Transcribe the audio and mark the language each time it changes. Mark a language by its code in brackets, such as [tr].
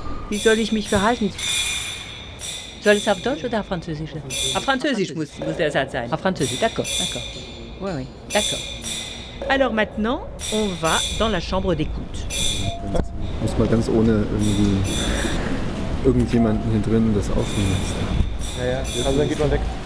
[de] Wie soll ich mich verhalten? Soll es auf Deutsch oder auf Französisch sein? Auf Französisch muss der Satz sein. Auf Französisch, d'accord. [fr] Oui, oui, d'accord. Alors maintenant, on va dans la chambre d'écoute. [de] Ich muss mal ganz ohne irgendjemanden hier drin das aufnehmen. Ja, ja, also dann geht man weg.